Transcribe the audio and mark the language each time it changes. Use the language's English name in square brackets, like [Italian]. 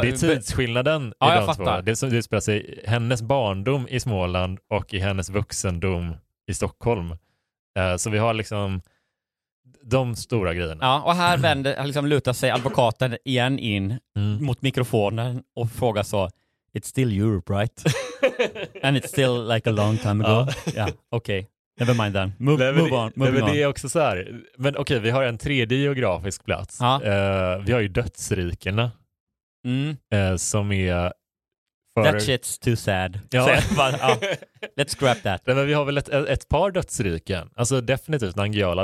[Swedish] det är tidsskillnaden i de två. Det som utspelar sig, hennes barndom i Småland och i hennes vuxendom i Stockholm. Så vi har liksom de stora grejerna. Ja, och här vänder, liksom lutar sig advokaten igen in mot mikrofonen och frågar så, [English] it's still Europe, right? And it's still like a long time ago. [Swedish] Ja, okej. [English] Okay. Never mind then. Move on. [Swedish] Det är också så här. Men okej, vi har en tredje geografisk plats. Vi har ju dödsrikerna. Som är... [English] That shit's too sad. [Swedish] Ja. [English] Let's scrap that. [Swedish] Men vi har väl ett par dödsriken. Alltså definitivt Nangijala.